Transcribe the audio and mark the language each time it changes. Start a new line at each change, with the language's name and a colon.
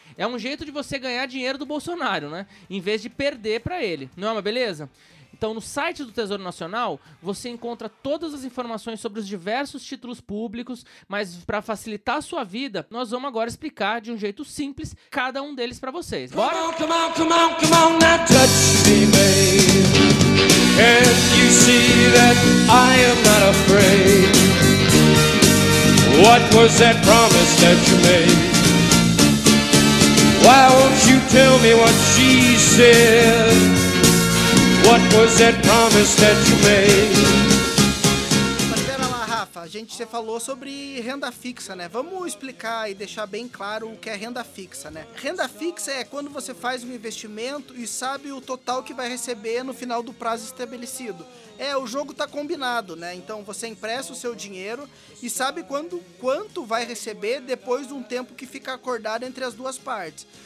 Portuguese: É um jeito de você ganhar dinheiro do Bolsonaro, né? Em vez de perder para ele. Não é uma beleza? Então, no site do Tesouro Nacional, você encontra todas as informações sobre os diversos títulos públicos, mas para facilitar a sua vida, nós vamos agora explicar de um jeito simples cada um deles para vocês. Bora?
English: Come on, come on, come on, come on, not touch me, babe. If you see that I am not afraid. What was that promise that you made? Why won't you tell me what she said? What was that promise that you made?
Portuguese: Rafa, você falou sobre renda fixa, né? Vamos explicar e deixar bem claro o que é renda fixa, né? Renda fixa é quando você faz um investimento e sabe o total que vai receber no final do prazo estabelecido. É, o jogo tá combinado, né? Então você empresta o seu dinheiro e sabe quanto vai receber depois de um tempo que fica acordado entre as duas partes.